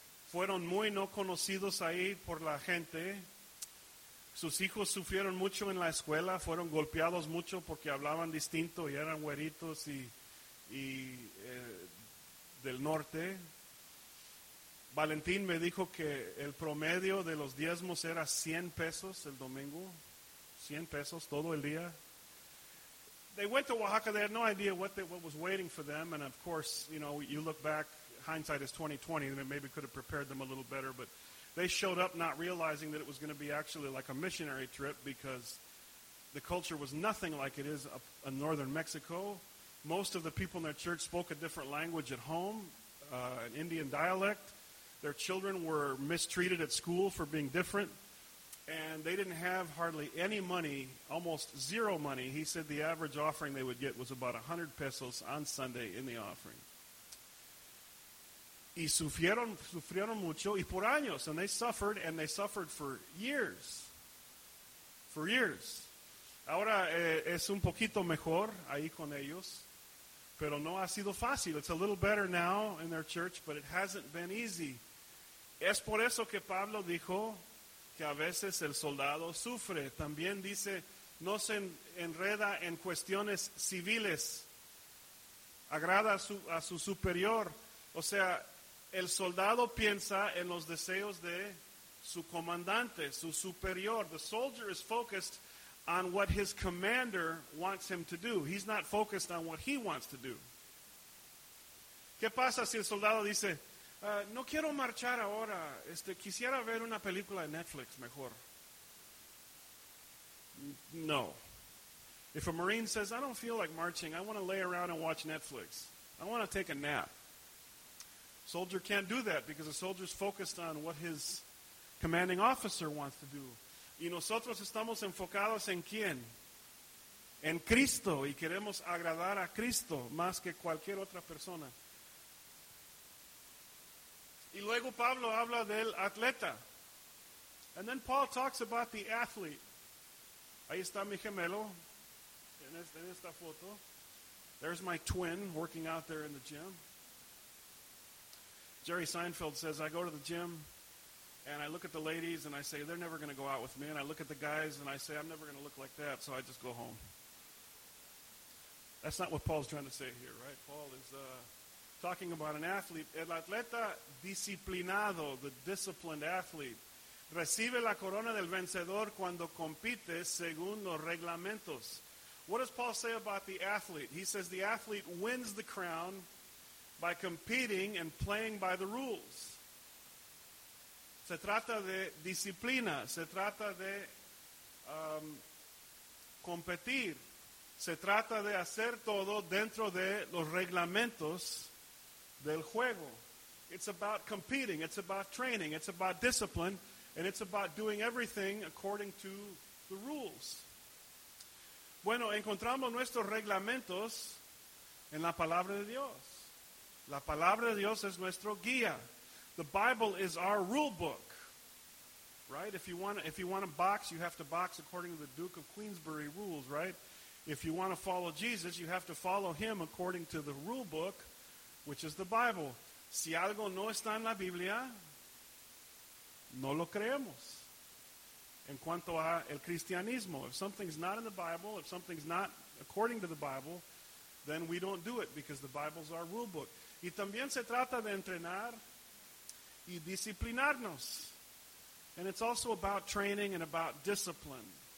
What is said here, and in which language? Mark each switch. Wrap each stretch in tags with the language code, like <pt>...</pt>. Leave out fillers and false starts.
<es>Fueron muy no conocidos ahí por la gente. Sus hijos sufrieron mucho en la escuela, fueron golpeados mucho porque hablaban distinto y eran güeritos del norte. Valentín me dijo que el promedio de los diezmos era 100 pesos el domingo, 100 pesos todo el día.</es> <en>They went to Oaxaca, they had no idea what was waiting for them, and of course, you know, you look back, hindsight is 20/20, and it maybe could have prepared them a little better, but they showed up not realizing that it was going to be actually like a missionary trip, because the culture was nothing like it is up in northern Mexico. Most of the people in their church spoke a different language at home, an Indian dialect. Their children were mistreated at school for being different. And they didn't have hardly any money, almost zero money. He said the average offering they would get was about 100 pesos on Sunday in the offering.</en> <es>Y sufrieron mucho y por años.</es> <en>And they suffered, and they suffered for years. For years.</en> <es>Ahora es un poquito mejor ahí con ellos. Pero no ha sido fácil.</es> <en>It's a little better now in their church, but it hasn't been easy.</en> <es>Es por eso que Pablo dijo que a veces el soldado sufre. También dice, no se enreda en cuestiones civiles. Agrada a su superior. O sea, el soldado piensa en los deseos de su comandante, su superior.</es> <en>The soldier is focused on what his commander wants him to do. He's not focused on what he wants to do.</en> <es>¿Qué pasa si el soldado dice, no quiero marchar ahora, quisiera ver una película de Netflix mejor? No.</es> <en>If a Marine says, I don't feel like marching, I want to lay around and watch Netflix. I want to take a nap. Soldier can't do that because a soldier's focused on what his commanding officer wants to do.</en> <es>Y nosotros estamos enfocados en quién? En Cristo. Y queremos agradar a Cristo más que cualquier otra persona. Y luego Pablo habla del atleta.</es> <en>And then Paul talks about the athlete.</en> <es>Ahí está mi gemelo en esta foto.</es> <en>There's my twin working out there in the gym. Jerry Seinfeld says, I go to the gym and I look at the ladies and I say, they're never going to go out with me. And I look at the guys and I say, I'm never going to look like that. So I just go home. That's not what Paul's trying to say here, right? Paul is talking about an athlete.</en> <es>El atleta disciplinado,</es> <en>the disciplined athlete.</en> <es>Recibe la corona del vencedor cuando compite según los reglamentos.</es> <en>What does Paul say about the athlete? He says the athlete wins the crown by competing and playing by the rules.</en> <es>Se trata de disciplina. Se trata de competir. Se trata de hacer todo dentro de los reglamentos del juego.</es> <en>It's about competing. It's about training. It's about discipline. And it's about doing everything according to the rules.</en> <es>Bueno, encontramos nuestros reglamentos en la palabra de Dios. La palabra de Dios es nuestro guía.</es> <en>The Bible is our rule book. Right? If you want to box, you have to box according to the Duke of Queensbury rules, right? If you want to follow Jesus, you have to follow him according to the rule book, which is the Bible.</en> <es>Si algo no está en la Biblia, no lo creemos. En cuanto a el cristianismo,</es> <en>if something's not in the Bible, if something's not according to the Bible, then we don't do it because the Bible's our rule book.</en> <es>Y también se trata de entrenar y disciplinarnos.</es> <en>And it's also about training and about discipline.</en>